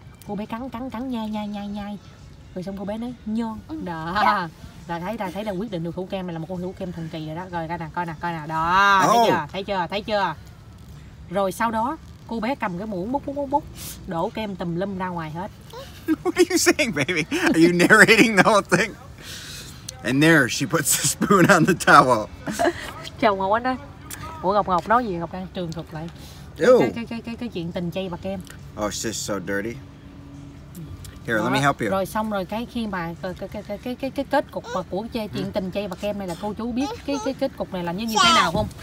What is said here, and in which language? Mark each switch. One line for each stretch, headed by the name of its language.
Vietnamese: Cô bé cắn nhai. Rồi xong cô bé nói ngon. Đó. Là thấy là quyết định được hũ kem này là một con hũ kem thần kỳ rồi đó. Rồi coi nè. Đó. Thấy chưa? Rồi sau đó cô bé cầm cái muỗng múc đổ kem tùm lum ra ngoài hết.
English: What are you saying, baby? Are you narrating the whole thing? And there, she puts the spoon on the towel.
Vietnamese: Chồng Ngọc nói, Ủa Ngọc Ngọc nói gì? Ngọc đang tường thuật lại. Ew. Cái chuyện tình chay và kem.
English: Oh, it's just so dirty. Here, let me help you.
Vietnamese: Rồi xong rồi cái khi mà cái kết cục của chuyện tình chay và kem này là cô chú biết cái kết cục này là như thế nào không?